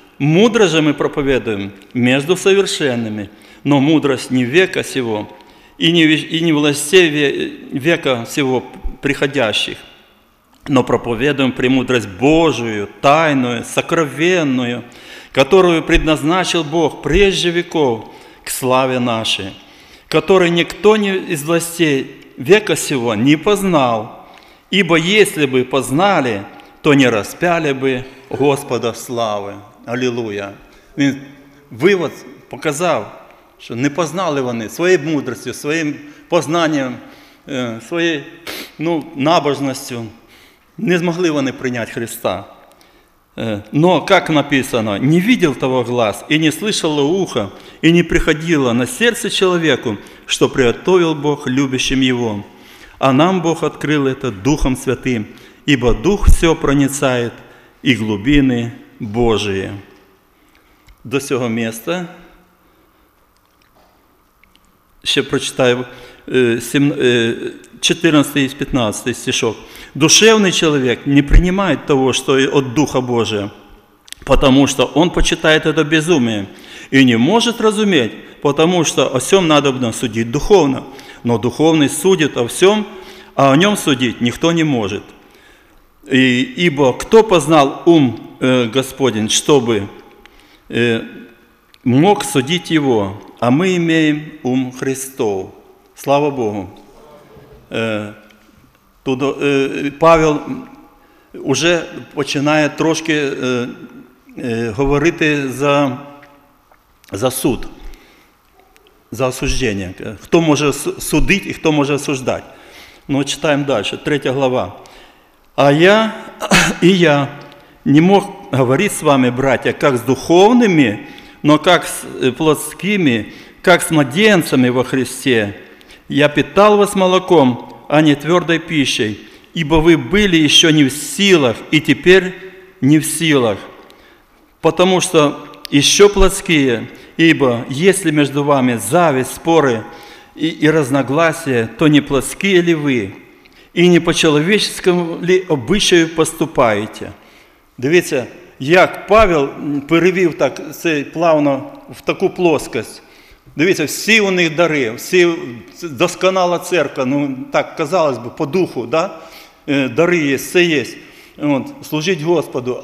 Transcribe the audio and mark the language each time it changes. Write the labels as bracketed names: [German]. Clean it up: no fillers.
[Russian] Мудро же мы проповедуем между совершенными, но мудрость не века сего и не властей века сего приходящих, но проповедуем премудрость Божию, тайную, сокровенную, которую предназначил Бог прежде веков к славе нашей, которой никто не из властей века сего не познал, ибо если бы познали, то не распяли бы Господа славы. Аллилуйя. [Ukrainian] Він вывод показав, що не познали вони своєю мудростю, своїм познанням, своєю, ну, набожністю, не змогли вони прийняти Христа. [Russian] Но, как написано, не видел того глаз, и не слышало ухо, и не приходило на сердце человеку, что приготовил Бог любящим его. А нам Бог открыл это Духом Святым, ибо Дух все проницает, и глубины Божии. До сего места. Еще прочитаю 14 и 15 стишок. Душевный человек не принимает того, что от Духа Божия, потому что он почитает это безумие и не может разуметь, потому что о всем надобно судить духовно. Но духовный судит о всем, а о нем судить никто не может. Ибо кто познал ум Господень, чтобы мог судить его, а мы имеем ум Христов. Слава Богу! [Ukrainian] Тут Павел уже починає трошки говорити за суд, за осуждення. Хто може судити і хто може осуждати? Ну, читаємо далі, 3 глава. «А я і я не мог говорити з вами, браття, як з духовними, но як з плотскими, як з младенцями во Христе. Я питав вас молоком, [Russian] а не твердой пищей, ибо вы были еще не в силах, и теперь не в силах, потому что еще плотские, ибо если между вами зависть, споры и разногласия, то не плотские ли вы, и не по человеческому ли обычаю поступаете?» [Ukrainian] Дивіться, як Павел перевів так це плавно в таку плоскость. Дивіться, всі у них дари, всі досконала церква, ну так, казалось би, по духу, да? Дари є, все є, от, служить Господу.